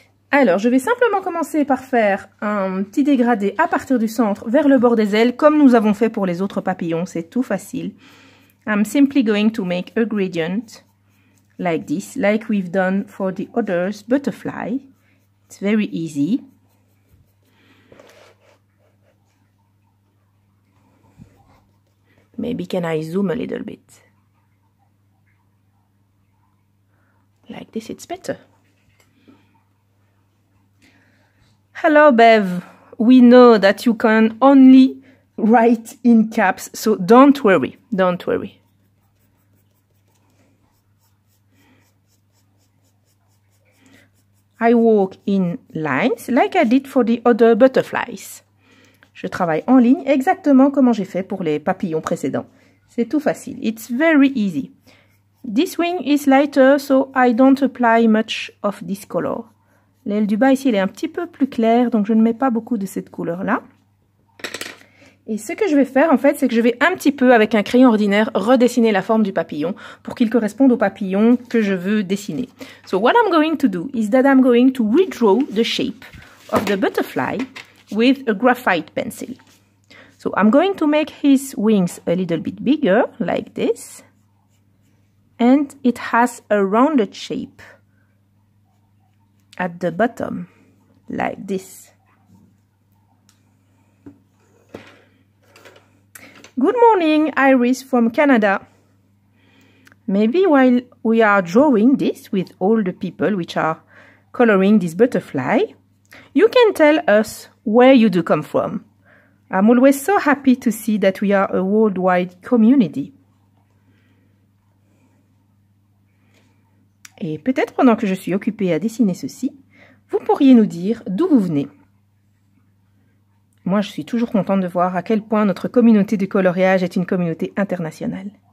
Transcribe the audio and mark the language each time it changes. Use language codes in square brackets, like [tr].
[fr] Alors, je vais simplement commencer par faire un petit dégradé à partir du centre vers le bord des ailes, comme nous avons fait pour les autres papillons. C'est tout facile. [en] I'm simply going to make a gradient like this, like we've done for the others butterfly. It's very easy. Maybe can I zoom a little bit? Like this, it's better. Hello, Bev. We know that you can only write in caps, so don't worry. Don't worry. I walk in lines like I did for the other butterflies. [fr] Je travaille en ligne exactement comme j'ai fait pour les papillons précédents. C'est tout facile. [en] It's very easy. This wing is lighter, so I don't apply much of this color. [fr] L'aile du bas ici, elle est un petit peu plus claire, donc je ne mets pas beaucoup de cette couleur-là. Et ce que je vais faire, en fait, c'est que je vais un petit peu, avec un crayon ordinaire, redessiner la forme du papillon pour qu'il corresponde au papillon que je veux dessiner. [en] So what I'm going to do is that I'm going to redraw the shape of the butterfly with a graphite pencil. So I'm going to make his wings a little bit bigger, like this. And it has a rounded shape at the bottom, like this. Good morning, Iris from Canada. Maybe while we are drawing this with all the people which are coloring this butterfly, you can tell us where you do come from. I'm always so happy to see that we are a worldwide community. [fr] Et peut-être pendant que je suis occupée à dessiner ceci, vous pourriez nous dire d'où vous venez. Moi, je suis toujours contente de voir à quel point notre communauté de coloriage est une communauté internationale.